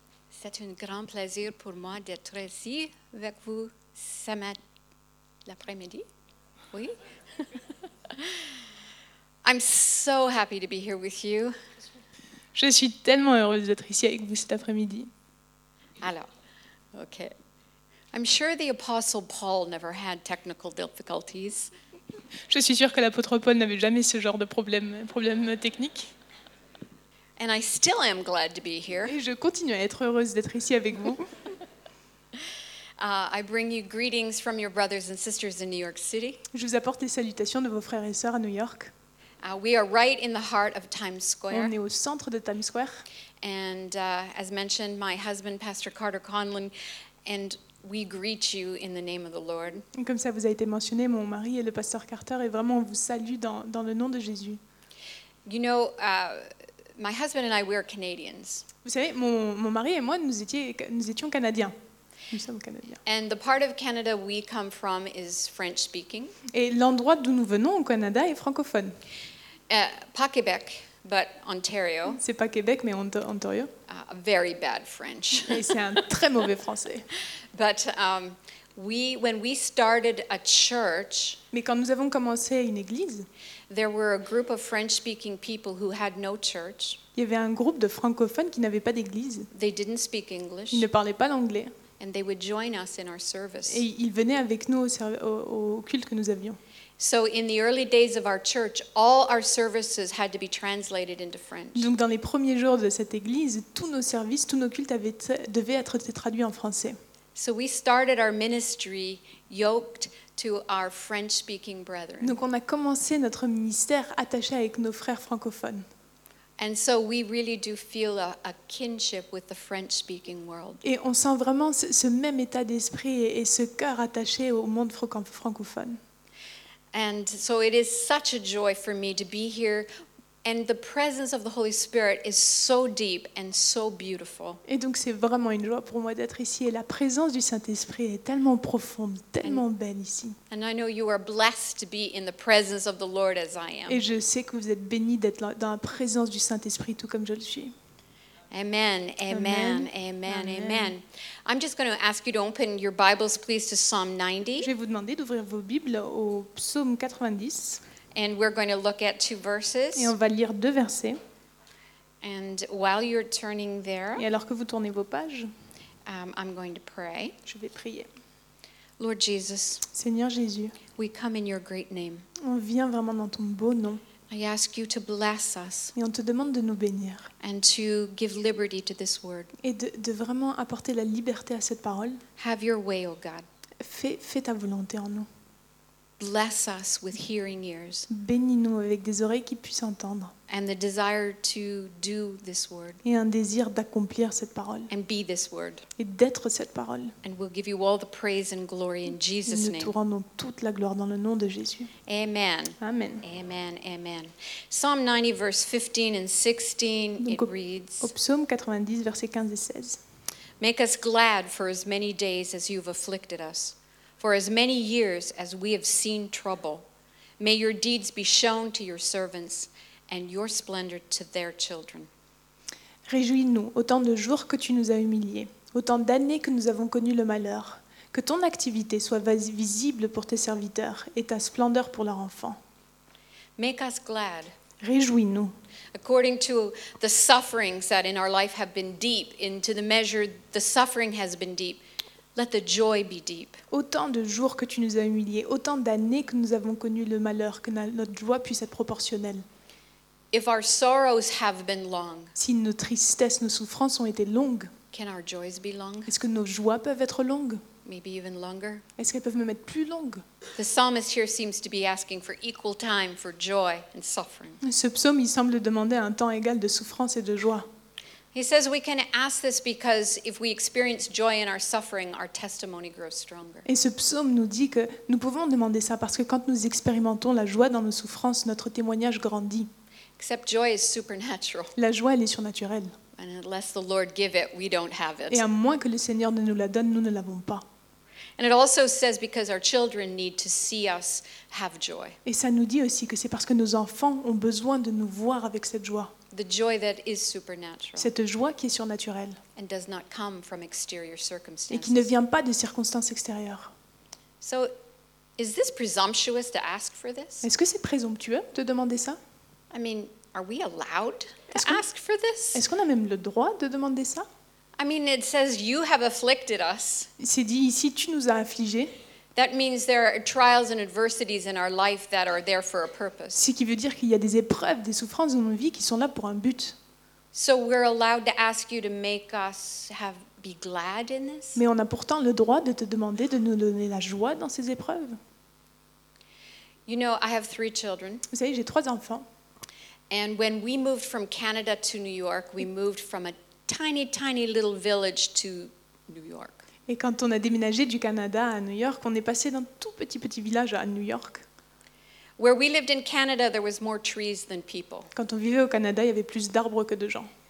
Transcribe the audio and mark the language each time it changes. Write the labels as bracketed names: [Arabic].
[French] C'est un grand plaisir pour moi d'être ici avec vous ce matin, l'après-midi. Oui. [English] I'm so happy to be here with you. [French] Je suis tellement heureuse d'être ici avec vous cet après-midi. Alors, OK. [English] I'm sure the apostle Paul never had technical difficulties. [French] Je suis sûre que l'apôtre Paul n'avait jamais ce genre de problème technique. [English] And I still am glad to be here. [French] Et je continue à être heureuse d'être ici avec vous. [English] I bring you greetings from your brothers and sisters in New York City. [French] Je vous apporte les salutations de vos frères et sœurs à New York. [English] We are right in the heart of Times Square. [French] On est au centre de Times Square. [English] And as mentioned, my husband, Pastor Carter Conlon, and we greet you in the name of the Lord. [French] Comme ça vous a été mentionné, mon mari est le pasteur Carter et vraiment on vous salue dans le nom de Jésus. [English] You know, my husband and I, we are Canadians. [French] Vous savez, mon mari et moi, nous étions Canadiens. Nous sommes Canadiens. [English] And the part of Canada we come from is French speaking. [French] Et l'endroit d'où nous venons au Canada est francophone. Pas Québec, [English] but Ontario. [French] C'est pas Québec, mais Ontario. [English] Very bad French. [French] Et c'est un très mauvais français. [English] But when we started a church, [French] mais quand nous avons commencé une église, [English] there were a group of French-speaking people who had no church. [French] Il y avait un groupe de francophones qui n'avaient pas d'église. [English] They didn't speak English. [French] Ils ne parlaient pas l'anglais. [English] And they would join us in our service. [French] Et ils venaient avec nous au culte que nous avions. [English] So in the early days of our church, all our services had to be translated into French. [French] Donc dans les premiers jours de cette église, tous nos services, tous nos cultes devaient être traduits en français. [English] So we started our ministry yoked to our French-speaking brethren. [French] Donc on a commencé notre ministère attaché avec nos frères francophones. [English] And so we really do feel a kinship with the French-speaking world. [French] Et on sent vraiment ce même état d'esprit et ce cœur attaché au monde francophone. [English] And so it is such a joy for me to be here. And the presence of the Holy Spirit is so deep and so beautiful. [French] Et donc c'est vraiment une joie pour moi d'être ici et la présence du Saint-Esprit est tellement profonde, tellement belle ici. [English] And I know you are blessed to be in the presence of the Lord as I am. [French] Et je sais que vous êtes bénis d'être dans la présence du Saint-Esprit tout comme je le suis. [English] Amen. Amen. Amen. Amen. Amen. I'm just going to ask you to open your Bibles please to Psalm 90. [French] Je vais vous demander d'ouvrir vos Bibles au Psaume 90. [English] And we're going to look at two verses. [French] Et on va lire deux versets. [English] And while you're turning there, [French] et alors que vous tournez vos pages, [English] I'm going to pray. [French] Je vais prier. [English] Lord Jesus, [French] Seigneur Jésus, [English] we come in your great name. [French] On vient vraiment dans ton beau nom. [English] I ask you to bless us. [French] Et on te demande de nous bénir. [English] And to give liberty to this word. [French] Et de vraiment apporter la liberté à cette parole. [English] Have your way, O God. [French] Fais ta volonté en nous. [English] Bless us with hearing ears. [French] Bénis-nous avec des oreilles qui puissent entendre. [English] And the desire to do this word. [French] Et un désir d'accomplir cette parole. [English] And be this word. [French] Et d'être cette parole. [English] And we'll give you all the praise and glory in Jesus' name. [French] Nous te rendons toute la gloire dans le nom de Jésus. [English] Amen. [French] Amen. [English] Amen. Amen. Psalm 90, verse 15 and 16. [French] Donc, [English] it reads. [French] Au psaume 90, versets 15 et 16. [English] Make us glad for as many days as you've afflicted us. For as many years as we have seen trouble, may your deeds be shown to your servants and your splendor to their children. [French] Réjouis-nous autant de jours que tu nous as humiliés, autant d'années que nous avons connu le malheur, que ton activité soit visible pour tes serviteurs et ta splendeur pour leurs enfants. [English] Make us glad. [French] Réjouis-nous. [English] According to the sufferings that in our life have been deep, into the measure the suffering has been deep, let the joy be deep. [French] Autant de jours que tu nous as humiliés, autant d'années que nous avons connu le malheur, que notre joie puisse être proportionnelle. [English] If our sorrows have been long, [French] si nos tristesses, nos souffrances ont été longues, [English] can our joys be long? [French] Est-ce que nos joies peuvent être longues? [English] Maybe even longer. [French] Est-ce qu'elles peuvent même être plus longues? [English] The psalmist here seems to be asking for equal time for joy and suffering. [French] Ce psaume, il semble demander un temps égal de souffrance et de joie. [English] He says we can ask this because if we experience joy in our suffering, our testimony grows stronger. [French] Et ce psaume nous dit que nous pouvons demander ça parce que quand nous expérimentons la joie dans nos souffrances, notre témoignage grandit. [English] Except joy is supernatural. [French] La joie, elle est surnaturelle. [English] And unless the Lord give it, we don't have it. [French] Et à moins que le Seigneur ne nous la donne, nous ne l'avons pas. [English] And it also says because our children need to see us have joy. [French] Et ça nous dit aussi que c'est parce que nos enfants ont besoin de nous voir avec cette joie. [English] The joy that is supernatural. [French] Cette joie qui est surnaturelle. [English] And does not come from exterior circumstances. [French] Et qui ne vient pas de circonstances extérieures. [English] So, is this presumptuous to ask for this? [French] Est-ce que c'est présomptueux de demander ça? [English] I mean, are we allowed to ask for this? [French] Est-ce qu'on a même le droit de demander ça? [English] I mean, it says you have afflicted us. [French] C'est dit ici, tu nous as affligés. [English] That means there are trials and adversities in our life that are there for a purpose. [French] Ce qui veut dire qu'il y a des épreuves, des souffrances dans nos vies qui sont là pour un but. [English] So we're allowed to ask you to make us have be glad in this. [French] Mais on a pourtant le droit de te demander de nous donner la joie dans ces épreuves. [English] You know, I have three children. [French] Vous savez, j'ai trois enfants. [English] And when we moved from Canada to New York, we moved from a tiny, tiny little village to New York. [French] Et quand on a déménagé du Canada à New York, on est passé d'un tout petit village à New York. [English] Where we lived in Canada, there was more trees than people. [French] Quand on vivait au Canada, il y avait plus d'arbres que de gens.